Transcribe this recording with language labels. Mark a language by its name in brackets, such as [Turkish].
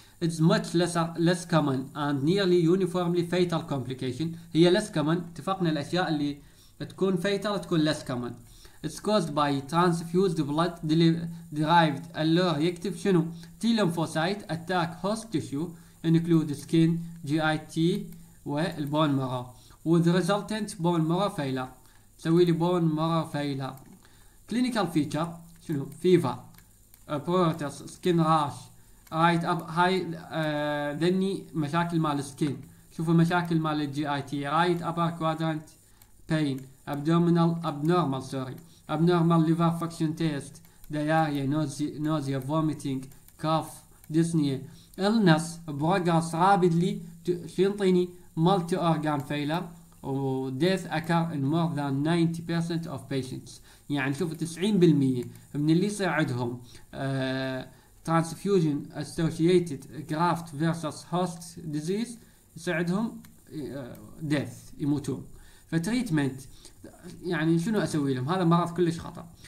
[English] It's much less common and nearly uniformly fatal complication. [Arabic] هي less common، اتفقنا الاشياء اللي تكون fatal تكون less common. [English] It's caused by transfused blood derived alloreactive شنو؟ T lymphocyte attack host tissue include skin, GIT والbone marrow with resultant bone marrow failure. [Arabic] سوي لي [English] bone marrow failure. Clinical feature شنو؟ fever, pruritus, skin rash, right up high [Arabic] ذني مشاكل مال السكين، شوفوا مشاكل مال الجي اي تي، [English] right upper quadrant pain, abdominal abnormal sorry abnormal liver function test, diarrhea, nausea, vomiting, cough, dyspnea, illness progress rapidly [Arabic] شنطيني [English] multi organ failure و death occur in more than 90% of patients. [Arabic] يعني شوفوا 90% من اللي يصير عندهم [English] transfusion associated graft versus host disease [Arabic] يصير عندهم death يموتون. فتريتمنت يعني شنو اسوي لهم؟ هذا مرض كلش خطر.